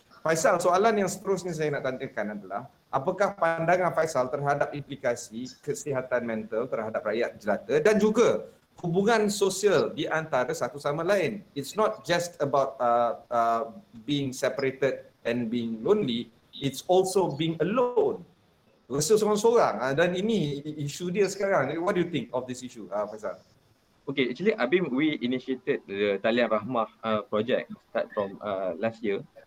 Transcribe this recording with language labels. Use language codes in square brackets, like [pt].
[ms] Faisal, soalan yang seterusnya saya nak tanyakan adalah, apakah pandangan Faisal terhadap implikasi kesihatan mental terhadap rakyat jelata dan juga hubungan sosial di antara satu sama lain? [en] It's not just about being separated and being lonely, it's also being alone. [ms] Rasa seorang-seorang, dan ini isu dia sekarang. [en] What do you think of this issue, Faisal? Okay, actually ABIM, we initiated the Talian Rahmah project start from last year.